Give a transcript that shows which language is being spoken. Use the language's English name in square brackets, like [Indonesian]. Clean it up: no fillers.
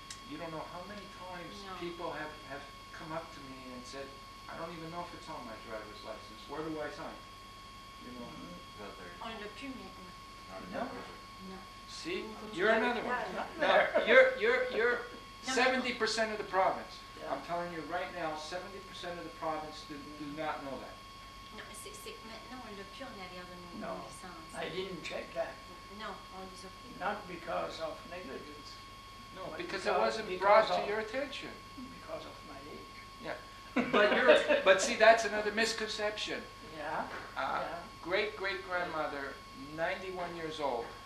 [English] You don't know how many times people have come up to me and said, I don't even know if it's on my driver's license. Where do I sign? You know? Mm-hmm. On the pew meeting. No. See, you're another one. You're 70% of the province. Yeah. I'm telling you right now, 70% of the province do not know that. [French] Non, c'est maintenant, on l'a plus en arrière de nos licences. [English] I didn't check that. [French] Non, on les a plus. [English] Not because of negligence. No, because it wasn't brought to your attention. Because of my age. Yeah. But see, that's another misconception. Yeah. Great-great-grandmother, 91 years old,